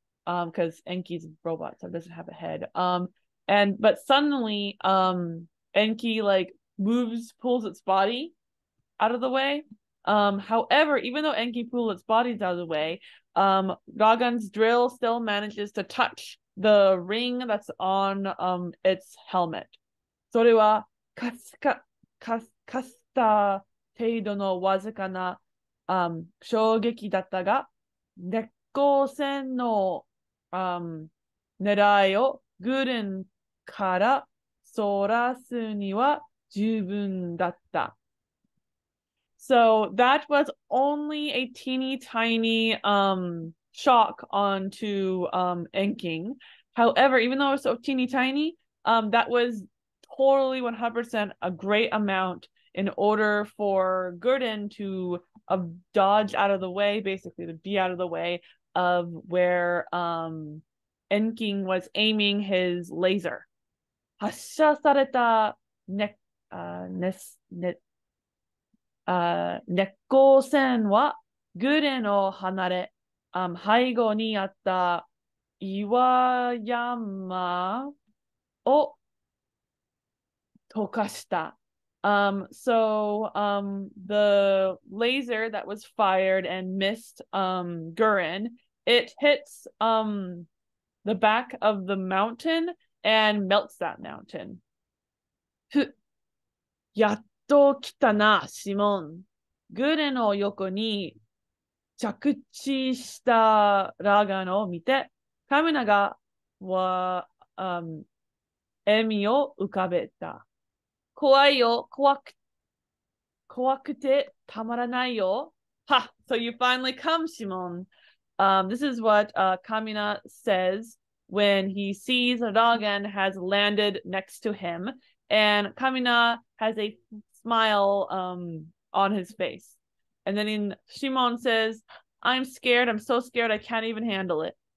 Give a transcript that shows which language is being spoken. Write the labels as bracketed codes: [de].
[en] Because Enki's a robot, so it doesn't have a head. But suddenly, Enki like moves, pulls its body out of the way. However, even though Enki pulls its body out of the way, Gagan's drill still manages to touch the ring that's on its helmet. [ja] それはかすか、かす、かした程度のわずかな、衝撃だったが、熱光線の狙いをグレンからそらすには十分だった。 [en] So that was only a teeny tiny shock onto Enking. However, even though it was so teeny tiny, that was totally 100% a great amount in order for Gurren to dodge out of the way, basically to be out of the way of where Enking was aiming his laser. [ja] 発射されたね、ね、ね、熱光線はグレの離れ、背後にあった岩山を溶かした。 [en] The laser that was fired and missed Gurren, it hits the back of the mountain and melts that mountain. [ja] やっと来たな、シモン。グレの横に着地したラガンを見て、カムナガは、笑みを浮かべた。怖いよ、怖くてたまらないよ。 [en] Ha! So you finally come, Shimon. This is what Kamina says when he sees Lagann has landed next to him. And Kamina has a smile on his face. And then Shimon says, I'm scared, I'm so scared, I can't even handle it.